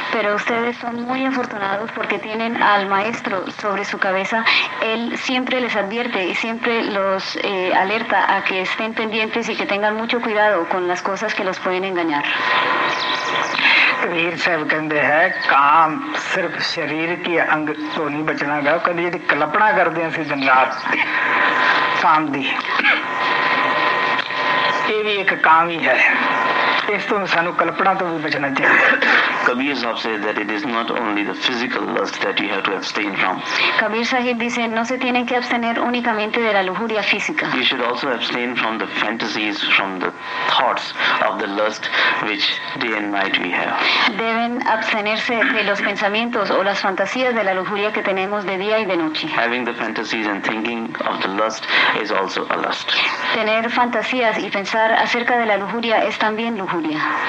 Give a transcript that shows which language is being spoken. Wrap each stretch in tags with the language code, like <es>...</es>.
<es>Pero ustedes son muy afortunados porque tienen al maestro sobre su cabeza. Él siempre les advierte y siempre los alerta a que estén pendientes y que tengan mucho cuidado con las cosas que los pueden engañar.</es> <pa>Kabir Sahib ਕਹਿੰਦੇ ਹੈ ਕਾਮ ਸਿਰਫ ਸਰੀਰ ਕੇ ਅੰਗ ਤੋਂ ਨਹੀਂ ਬਚਣਾ ਗਾ ਕਹਿੰਦੇ ਜਿਹੜੀ ਕਲਪਨਾ ਕਰਦੇ ਹਾਂ ਅਸੀਂ ਦਿਨ ਰਾਤ ਕਾਮ ਦੀ ਇਹ ਵੀ ਇੱਕ ਕਾਮ ਹੀ ਹੈ ਇਸ ਤੋਂ ਸਾਨੂੰ ਕਲਪਨਾ ਤੋਂ ਵੀ ਬਚਣਾ ਚਾਹੀਦਾ</pa> <en>Kabir Sahib says that it is not only the physical lust that you have to abstain from.</en> <es>Kabir Sahib dice, no se tienen que abstener únicamente de la lujuria física.</es> <en>You should also abstain from the fantasies, from the thoughts of the lust which day and night we have.</en> <es>Deben abstenerse de los pensamientos o las fantasías de la lujuria que tenemos de día y de noche.</es> <en>Having the fantasies and thinking of the lust is also a lust.</en> <es>Tener fantasías y pensar acerca de la lujuria es también lujuria.</es>